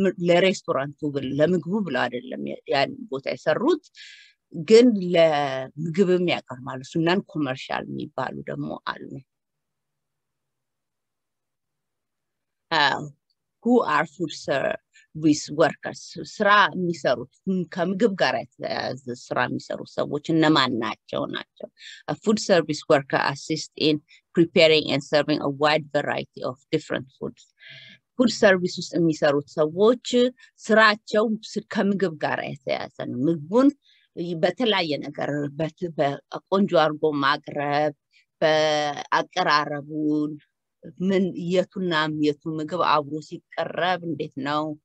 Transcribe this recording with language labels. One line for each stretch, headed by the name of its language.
Amharic: ለሬስቶራንቱ ለምግቡ ብለው አይደለም ያን ቦታ የሰሩት፣ ግን ለምግብም ያቀርባል እሱ። ነን ኮመርሻል የሚባሉ ደግሞ አሉ።
English: Who are food service workers?
Amharic: ስራ የሚሰሩት ከምግብ ጋር የተያያዘ ስራ የሚሰሩ ሰዎች እነማን ናቸው? ናቸው
English: A food service worker assists in preparing and serving a wide variety of different foods.
Amharic: ፉድ ሰርቪስ ውስጥ የሚሰሩት ሰዎች ስራቸው ከምግብ ጋር የተያያዘ ነው። ምግቡን በተለያየ ነገር በቆንጆ አድርጎ ማቅረብ፣ በአቀራረቡን ምን የቱና የቱ ምግብ አብሮ ሲቀረብ እንዴት ነው